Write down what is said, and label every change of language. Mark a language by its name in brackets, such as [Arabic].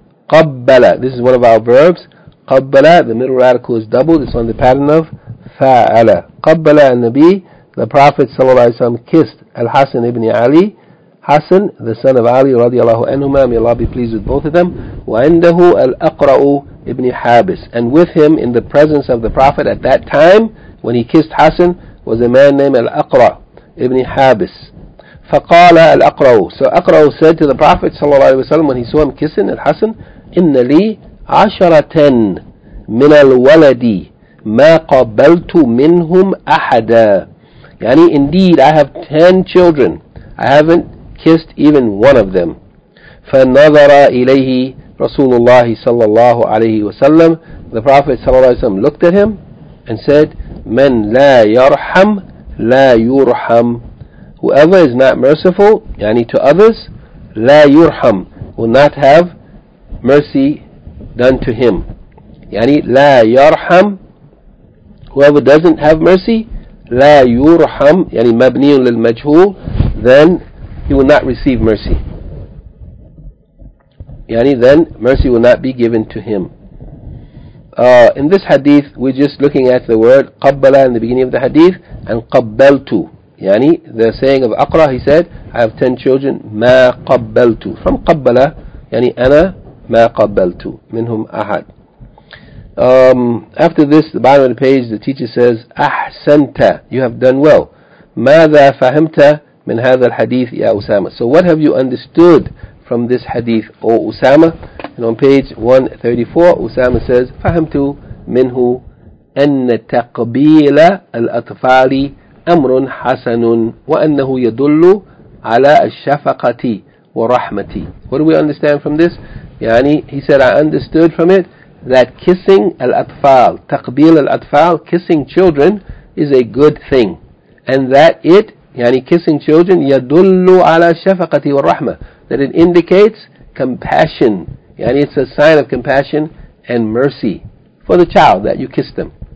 [English] قَبَّلَ, this is one of our verbs. قَبَّلَ, the middle radical is doubled, it's on the pattern of فَعَلَ. [Arabic] قَبَّلَ النَّبِيُّ, [English] the Prophet [Arabic] صلى الله عليه وسلم kissed الْحَسَنِ ابن علي. [English] Hassan, the son of Ali, radiallahu anhuma, may Allah be pleased with both of them. [Arabic] وَعِنْدَهُ الْأَقْرَأُ ibn حَابِسِ. [English] And with him, in the presence of the Prophet at that time, when he kissed Hassan, was a man named الْأَقْرَأُ ibn حَابِسِ. [Arabic] فَقَالَ الْأَقْرَأُ. [English] So Aqra'u said to the Prophet, sallallahu alayhi wa sallam, when he saw him kissing al-Hassan, [Arabic] إِنَّ لِي عَشَرَةً مِنَ الْوَلَدِ مَا قَبَلْتُ مِنْهُمْ أَحَدًا. [English] Yani, indeed, I have 10 children. I haven't kissed even one of them. [Arabic] فَنَظَرَ إِلَيْهِ رَسُولُ اللَّهِ صَلَّى اللَّهُ عَلَيْهِ وَسَلَّمُ. [English] The Prophet صلى الله عليه وسلم looked at him and said, [Arabic] مَنْ لَا يَرْحَمْ لَا يُرْحَمْ. [English] Whoever is not merciful, yani to others, لَا يُرْحَمْ, will not have mercy done to him. Yani لَا يَرْحَمْ, whoever doesn't have mercy, لَا يُرْحَمْ, yani مَبْنِيٌ لِلْمَجْهُولِ, then he will not receive mercy. Yani, then mercy will not be given to him. In this hadith, we're just looking at the word qabbala in the beginning of the hadith, and qabbaltu. Yani, the saying of Aqra, he said, I have 10 children, ma qabbaltu. From qabbala, yani, [Arabic] ana ma qabbaltu, minhum ahad. [English] After this, the bottom of the page, the teacher says, ahsanta, you have done well. [Arabic] Mada fahimta min hadha al-hadith ya Usama. [English] So what have you understood from this hadith, O Usama? And on page 134, Usama says, [Arabic] fahamtu minhu أن تقبيل الأطفال أمر حسن وأنه يدل على الشفقة ورحمة. [English] What do we understand from this? يعني he said, I understood from it that kissing الأطفال, تقبيل الأطفال, kissing children is a good thing. And that it, يعني kissing children, [Arabic] يدل على الشفقة والرحمة. [English] That it indicates compassion. يعني it's a sign of compassion and mercy for the child that you kiss them.